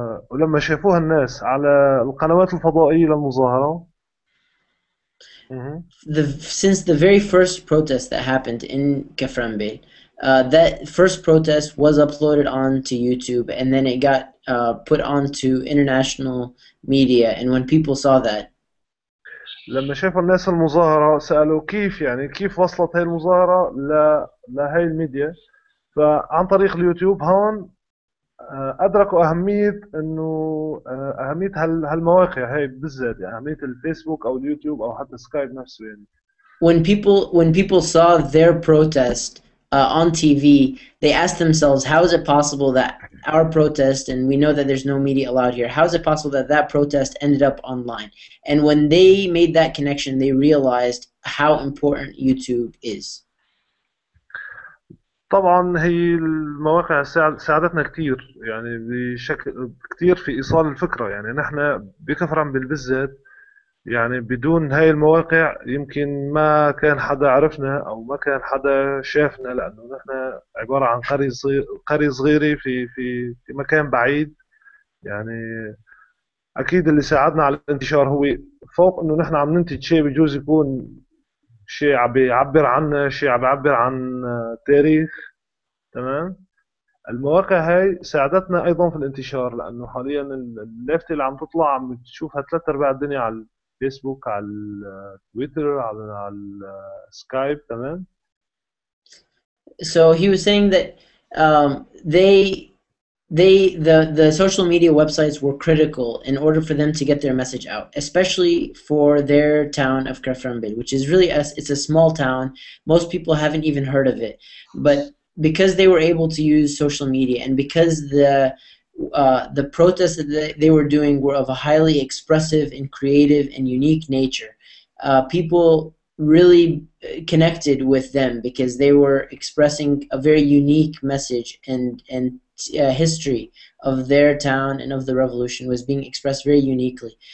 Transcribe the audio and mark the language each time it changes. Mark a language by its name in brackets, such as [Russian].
[Arabic] ولما شافوها الناس على القنوات الفضائية للمظاهرة. [English] Since the very first protest that happened in Kaframbe, that first protest was uploaded onto YouTube and then it got put onto international media. And when people saw that, [Arabic] لما شافوا الناس المظاهرة سألوا كيف يعني كيف وصلت هاي المظاهرة لهاي الميديا. فعن طريق اليوتيوب هون أدركوا أهمية إنه أهمية هالمواقع هاي بالذات، يعني أهمية الفيسبوك أو اليوتيوب أو حتى سكايب نفسه. يعني [English] when people saw their protest on TV, they asked themselves, how is it possible that our protest, and we know that there's no media allowed here. How is it possible that that protest ended up online? And when they made that connection, they realized how important YouTube is. [Arabic] طبعا هي المواقع ساعدتنا كثير يعني بشكل كثير في ايصال الفكره يعني نحن بكفرن بالذات يعني بدون هاي المواقع يمكن ما كان حدا عرفنا او ما كان حدا شافنا لانه نحن عباره عن قريه صغيره في مكان بعيد يعني اكيد اللي ساعدنا على الانتشار هو فوق انه نحن عم ننتج شيء بجوز يكون شيء عم يعبر عن شيء عم يعبر عن تاريخ تمام المواقع هاي ساعدتنا ايضا في الانتشار لانه حاليا اللافته اللي عم تطلع عم تشوفها ثلاث ارباع الدنيا على الفيسبوك على التويتر على السكايب تمام [English] So he was saying that the social media websites were critical in order for them to get their message out, especially for their town of Kreframbil, which is really it's a small town. Most people haven't even heard of it, but because they were able to use social media and because the protests that they were doing were of a highly expressive and creative and unique nature, people really connected with them because they were expressing a very unique message and history of their town and of the revolution was being expressed very uniquely.